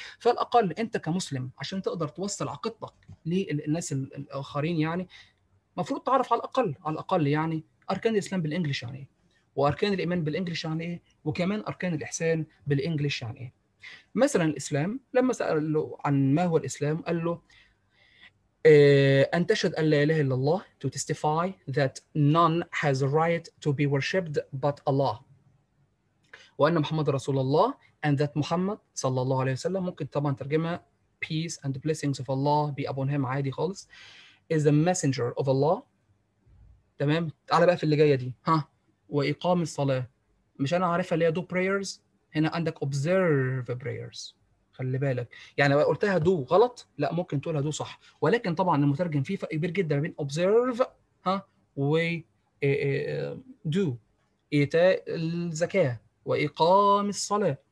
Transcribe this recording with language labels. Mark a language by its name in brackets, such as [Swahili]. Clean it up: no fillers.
[Arabic] فالأقل أنت كمسلم عشان تقدر توصل عقيدتك للناس الآخرين يعني مفروض تعرف على الأقل يعني أركان الإسلام بالإنجليش يعني إيه، وأركان الإيمان بالإنجليش يعني إيه، وكمان أركان الإحسان بالإنجليش يعني إيه. مثلا الإسلام لما سأله عن ما هو الإسلام قال له أن تشهد أن لا إله إلا الله, [English] to testify that none has a right to be worshipped but Allah, [Arabic] وأن محمد رسول الله, [English] and that [Arabic] محمد صلى الله عليه وسلم, ممكن طبعا ترجمها [English] peace and blessings of Allah be upon him [Arabic] عادي خالص, [English] is the messenger of Allah. [Arabic] تمام, تعالى بقى في اللي جاية دي, ها, وإقام الصلاة, مش أنا عارفة اللي هي [English] do prayers, [Arabic] هنا عندك [English] observe prayers, [Arabic] خلي بالك يعني لو قلتها دو غلط لا ممكن تقولها دو صح, ولكن طبعا المترجم فيه فرق كبير جدا بين observe ها و do, ايتاء الزكاه واقام الصلاه.